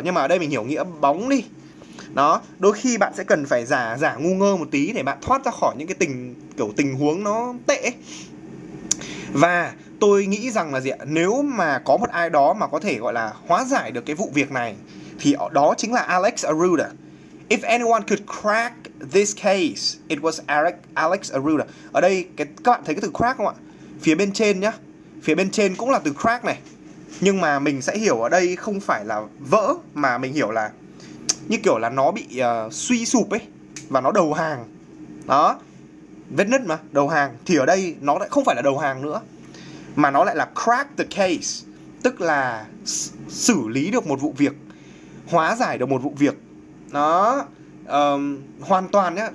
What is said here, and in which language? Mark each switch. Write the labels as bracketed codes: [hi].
[vi] Nhưng mà ở đây mình hiểu nghĩa bóng đi. Đó, đôi khi bạn sẽ cần phải giả ngu ngơ một tí để bạn thoát ra khỏi những cái tình huống nó tệ. Và tôi nghĩ rằng là gì ạ? Nếu mà có một ai đó mà có thể gọi là hóa giải được cái vụ việc này thì đó chính là Alex Aruda. [en] If anyone could crack this case, it was Alex Aruda. [vi] Ở đây các bạn thấy cái từ crack không ạ? Phía bên trên nhá. Phía bên trên cũng là từ crack này. Nhưng mà mình sẽ hiểu ở đây không phải là vỡ mà mình hiểu là như kiểu là nó bị suy sụp ấy và nó đầu hàng. Đó. Vết nứt mà, đầu hàng thì ở đây nó lại không phải là đầu hàng nữa. Mà nó lại là crack the case, tức là xử lý được một vụ việc, hóa giải được một vụ việc. Đó. Hoàn toàn nhá.